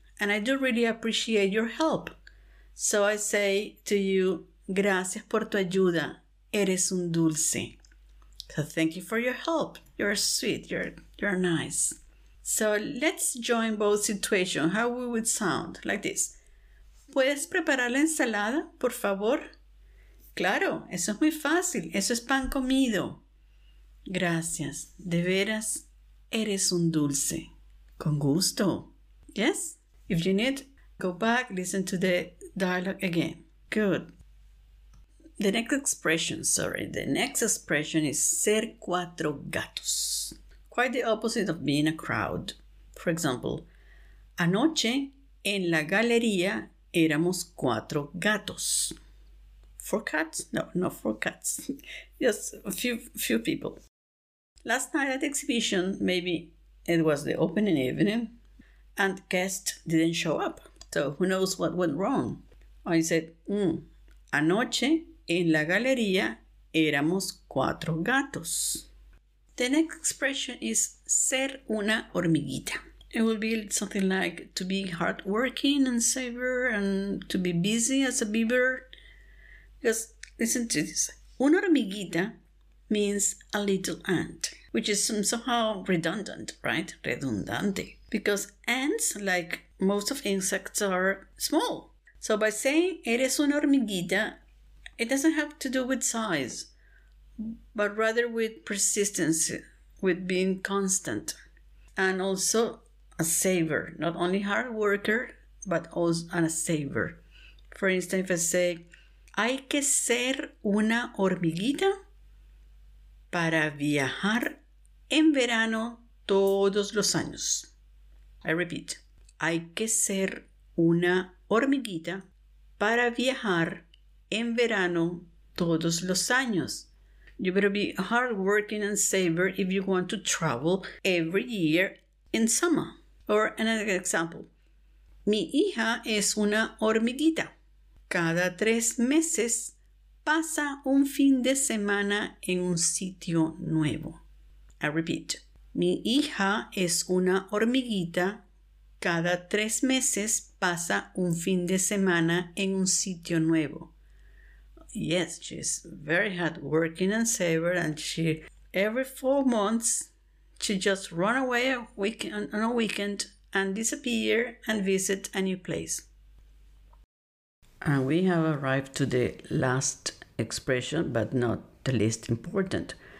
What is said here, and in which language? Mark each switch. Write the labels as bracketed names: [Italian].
[English] And I do really appreciate your help. So I say to you, [Spanish] gracias por tu ayuda. Eres un dulce. [English] So thank you for your help. You're sweet. You're nice. So let's join both situations, how we would sound, like this. [Spanish] ¿Puedes preparar la ensalada, por favor? Claro, eso es muy fácil, eso es pan comido. Gracias, de veras, eres un dulce. Con gusto. [English] Yes? If you need, go back, listen to the dialogue again. Good. The next expression is [Spanish] ser cuatro gatos. [English] Quite the opposite of being a crowd. For example, [Spanish] anoche en la galería éramos 4 gatos. [English] 4 cats? No, not 4 cats. Just a few people. Last night at the exhibition, maybe it was the opening evening, and guests didn't show up. So who knows what went wrong? I said, [Spanish] anoche en la galería éramos 4 gatos. [English] The next expression is [Spanish] ser una hormiguita. [English] It would be something like to be hardworking and saver and to be busy as a beaver. Just listen to this. [Spanish] Una hormiguita [English] means a little ant, which is somehow redundant, right? Redundante. Because ants, like most of insects, are small. So by saying [Spanish] eres una hormiguita, [English] it doesn't have to do with size, but rather with persistence, with being constant, and also a saver, not only hard worker, but also a saver. For instance, if I say, [Spanish] hay que ser una hormiguita para viajar en verano todos los años. [English] I repeat, [Spanish] hay que ser una hormiguita para viajar en verano todos los años. [English] You better be hardworking and saver if you want to travel every year in summer. Or another example. [Spanish] Mi hija es una hormiguita. Cada 3 meses Pasa un fin de semana en un sitio nuevo. [English] I repeat. [Spanish] Mi hija es una hormiguita. Cada 3 meses pasa un fin de semana en un sitio nuevo. [English] Yes, she's very hard working and saver, and she every 4 months she just run away on a weekend and disappear and visit a new place. And we have arrived to the last expression, but not the least important.